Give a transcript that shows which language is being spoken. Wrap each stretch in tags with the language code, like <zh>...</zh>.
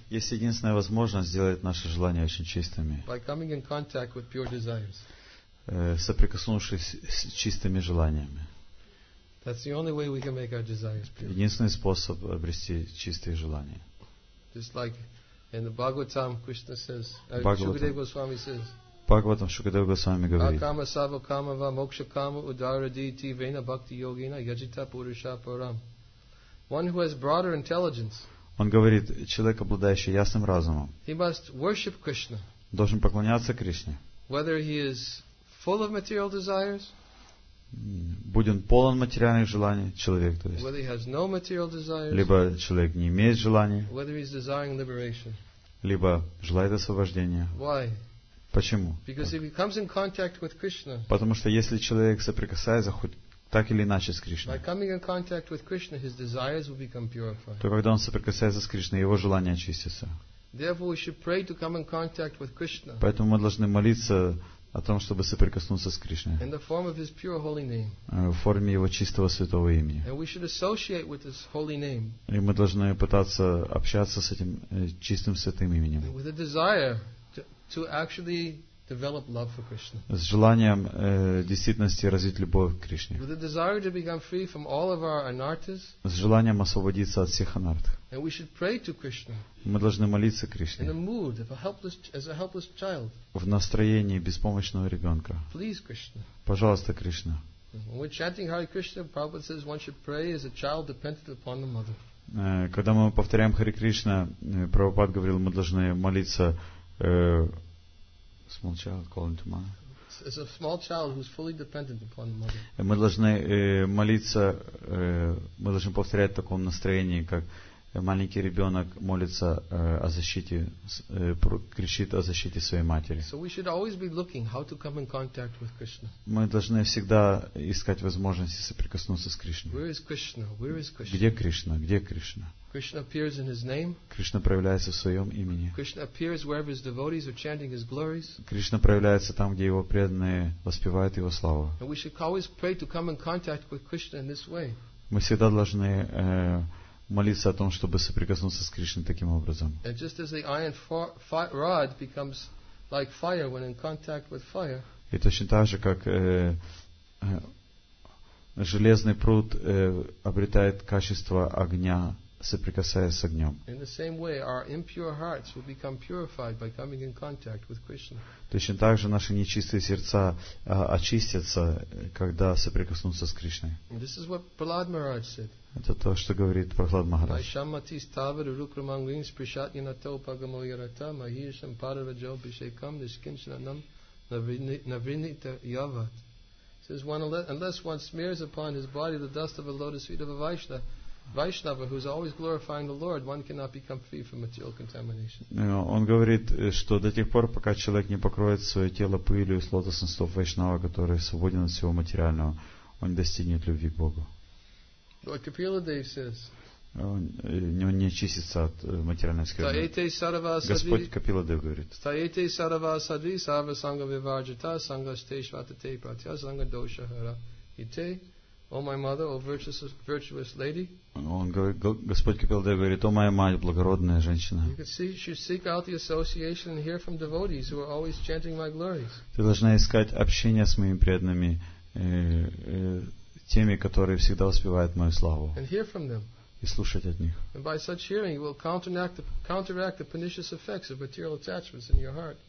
<ru>Есть единственная возможность сделать наши желания очень чистыми.</ru> <en>By coming in contact with pure desires.</en> <ru>Соприкоснувшись с чистыми желаниями.</ru> <en>That's the only way we can make our desires pure.</en> <ru>Единственный способ обрести чистые желания.</ru> <en>Just like in the Bhagavatam, Krishna says, Shukadeva Goswami says,</en> <ru>Bhagavatam Shukadeva Goswami говорит,</ru> <sa>Akama Sava Kamava Moksha Kama Udara Diti Vena Bhakti Yogina Yajita Purusha Param.</sa> <en>One who has broader intelligence.</en> <ru>Он говорит, человек, обладающий ясным разумом.</ru> <en>He must worship Krishna.</en> <ru>Должен поклоняться Кришне.</ru> <en>Whether he is full of material desires.</en> <ru>Будет полон материальных желаний человек, то есть.</ru> <en>Whether he has no material desires.</en> <ru>Либо человек не имеет желаний.</ru> <en>Whether he is desiring liberation.</en> <ru>Либо желает освобождения.</ru> <en>Why?</en> <ru>Почему?</ru> <en>Because if he comes in contact with Krishna.</en> <ru>Потому что если человек соприкасается хоть так или иначе с Кришной.</ru> <en>By coming in contact with Krishna, his desires will become purified.</en> <ru>То когда он соприкасается с Кришной, его желания очистятся.</ru> <en>Therefore, we should pray to come in contact with Krishna.</en> <ru>Поэтому мы должны молиться о том, чтобы соприкоснуться с Кришной.</ru> <en>In the form of his pure holy name.</en> <ru>В форме его чистого святого имени.</ru> <en>And we should associate with his holy name.</en> <ru>И мы должны пытаться общаться с этим чистым святым именем.</ru> <en>With a desire to actually develop love for Krishna.</en> <ru>С желанием действительности развить любовь к Кришне.</ru> <en>With a desire to become free from all of our anarthas.</en> <ru>С желанием освободиться от всех анарт.</ru> <en>And we should pray to Krishna.</en> <ru>Мы должны молиться Кришне.</ru> <en>In a mood of a helpless, as a helpless child.</en> <ru>В настроении беспомощного ребенка.</ru> <en>Please, Krishna.</en> <ru>Пожалуйста, Кришна.</ru> <en>When we're chanting Hare Krishna, Prabhupada says one should pray as a child dependent upon the mother.</en> <ru>Когда мы повторяем Хари Кришна, Прабхупад говорил, мы должны молиться.</ru> <en>Small child calling to mother. As a small child who's fully dependent upon the mother.</en> <ru>Мы должны молиться, мы должны повторять в таком настроении, как маленький ребенок молится о защите, кричит о защите своей матери.</ru> <en>So we should always be looking how to come in contact with Krishna.</en> <ru>Мы должны всегда искать возможности соприкоснуться с Кришной.</ru> <en>Where is Krishna? Where is Krishna?</en> <ru>Где Кришна? Где Кришна?</ru> <en>Krishna appears in his name.</en> <ru>Кришна проявляется в своем имени.</ru> <en>Krishna appears wherever his devotees are chanting his glories.</en> <ru>Кришна проявляется там, где его преданные воспевают его славу.</ru> <en>And we should always pray to come in contact with Krishna in this way.</en> <ru>Мы всегда должны молиться о том, чтобы соприкоснуться с Кришной таким образом.</ru> <en>And just as the iron rod becomes like fire when in contact with fire.</en> <ru>И точно так же, как железный пруд обретает качество огня, соприкасаясь с огнем.</ru> <en>In the same way, our impure hearts will become purified by coming in contact with Krishna.</en> <ru>Точно так же наши нечистые сердца очистятся, когда соприкоснутся с Кришной.</ru> <en>This is what Prahlad Maharaj said.</en> <ru>Это то, что говорит Прохлад Махарадж.</ru> <sa>Vaishamati stavara rukramangin sprishatyanato pagamoyarata mahisham paravajo bishekam nishkinshanam navinita yavat.</sa> <en>Says one, unless one smears upon his body the dust of a lotus feet of a Vaishnava, who is always glorifying the Lord, one cannot become free from material contamination.</en> <ru>Он говорит, что до тех пор, пока человек не покроет свое тело пылью из лотосных стоп Вайшнава, который свободен от всего материального, он не достигнет любви к Богу.</ru> <en>Lord Kapila Dev says.</en> <ru>Он не очистится от материальной скверны. Господь Капила Дев говорит.</ru> <sa>Стаяте сарва сади сарва санга виварджита санга стешватате пратья санга доша хара ите.</sa> <ru>О, моя мать, о,</ru> <en>virtuous lady.</en> <ru>Он говорит, Господь Капила Дев говорит, о, моя мать, благородная женщина.</ru> <en>You can see, should seek out the association and hear from devotees who are always chanting my glories.</en> <ru>Ты должна искать общение с моими преданными. Теми, которые всегда воспевают мою славу. И слушать от них.</ru> <en>And by such hearing, you will counteract the pernicious effects of material attachments in your heart.</en>